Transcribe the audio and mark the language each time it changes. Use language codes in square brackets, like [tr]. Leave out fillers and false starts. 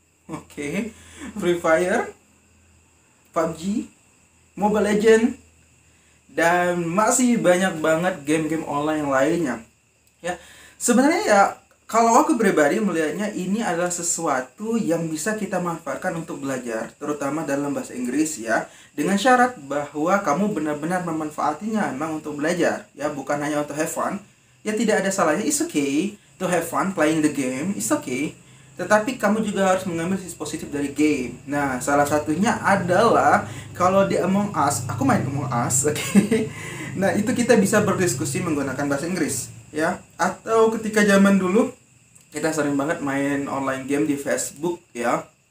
[id] Oke, okay. Free Fire, PUBG, Mobile Legend, dan masih banyak banget game-game online lainnya. Ya, sebenarnya ya kalau aku pribadi melihatnya, ini adalah sesuatu yang bisa kita manfaatkan untuk belajar, terutama dalam bahasa Inggris ya, dengan syarat bahwa kamu benar-benar memanfaatinya memang untuk belajar ya, bukan hanya untuk [en] have fun. [id] Ya tidak ada salahnya, [en] it's okay to have fun playing the game, it's okay. [id] Tetapi kamu juga harus mengambil sisi positif dari game. Nah, salah satunya adalah kalau di Among Us, aku main Among Us, oke. Okay. Nah, itu kita bisa berdiskusi menggunakan bahasa Inggris ya, atau ketika zaman dulu kita sering banget main online game di Facebook ya.